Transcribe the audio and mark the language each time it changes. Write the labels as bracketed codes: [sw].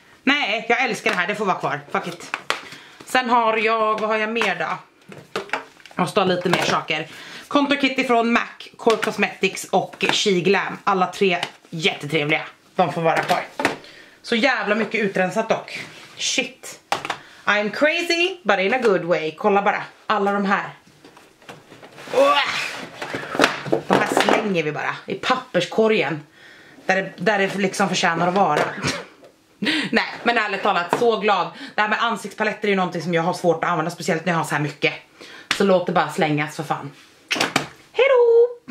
[sv] Nej, jag älskar det här, det får vara kvar, [en] fuck it. [sv] Sen har jag, vad har jag mer då? Jag måste ha lite mer saker. Contour Kit från MAC, Core Cosmetics och She Glam. Alla 3 jättetrevliga, de får vara kvar. Så jävla mycket utrensat dock. [en] Shit, I'm crazy, but in a good way. [sv] Kolla bara, alla de här. De här slänger vi bara, i papperskorgen. Där det liksom förtjänar att vara. Nej, men ärligt talat, så glad. Det här med ansiktspaletter är ju någonting som jag har svårt att använda, speciellt när jag har så här mycket. Så låt det bara slängas för fan. Hejdå!